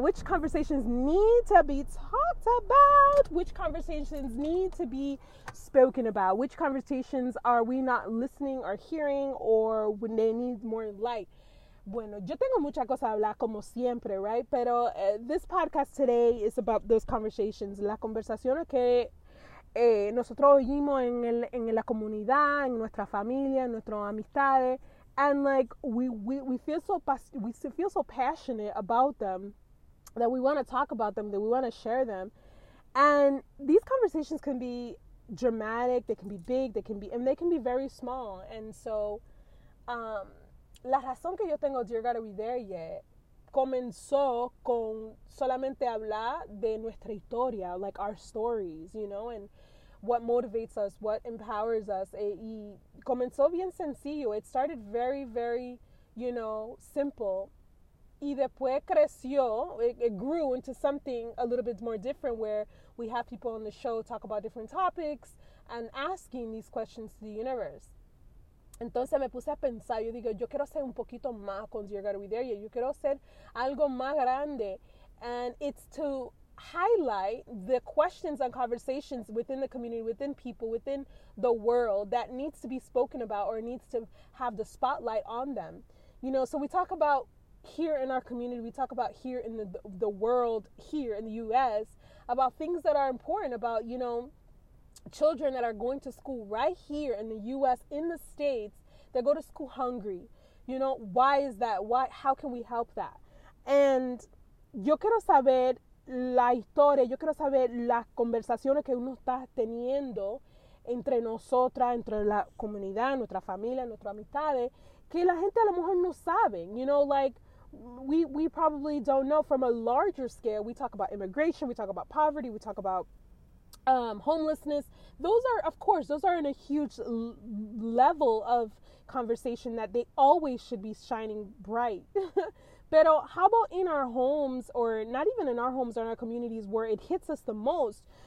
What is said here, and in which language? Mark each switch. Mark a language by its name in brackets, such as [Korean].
[English] Which conversations need to be talked about? Which conversations need to be spoken about? Which conversations are we not listening or hearing, or when they need more light? [Spanish] Bueno, yo tengo mucha cosa a hablar, como siempre, right? Pero [English] this podcast today is about those conversations. [Spanish] La conversación que nosotros oímos en la comunidad, en nuestra familia, en nuestras amistades. [English] And like we feel so passionate about them that we want to talk about them, that we want to share them. And these conversations can be dramatic, they can be big, they can be very small. And so [Spanish] la razón que yo tengo Dear God, Are We There Yet? Comenzó con solamente hablar de nuestra historia, [English] like our stories, you know, and what motivates us, what empowers us. [Spanish] Y comenzó bien sencillo. [English] It started very, very, you know, simple. [Spanish] Y después creció, [English] it grew into something a little bit more different, where we have people on the show talk about different topics and asking these questions to the universe. [Spanish] Entonces me puse a pensar, yo digo, yo quiero ser un poquito más con Dear God, Are We There Yet? Yo quiero ser algo más grande. [English] And it's to highlight the questions and conversations within the community, within people, within the world that needs to be spoken about or needs to have the spotlight on them. You know, so we talk about here in our community, we talk about here in the world, here in the U.S., about things that are important, about, you know, children that are going to school right here in the U.S., in the States, that go to school hungry. You know, why is that? Why? How can we help that? [Spanish] And yo quiero saber la historia, yo quiero saber las conversaciones que uno está teniendo entre nosotras, entre la comunidad, nuestra familia, nuestras amistades, que la gente a lo mejor no saben, [English] you know, like, we probably don't know from a larger scale. We talk about immigration, we talk about poverty, we talk about homelessness. Those are, of course, those are in a huge level of conversation that they always should be shining bright. Pero how about in our homes, or not even in our homes, or in our communities where it hits us the most?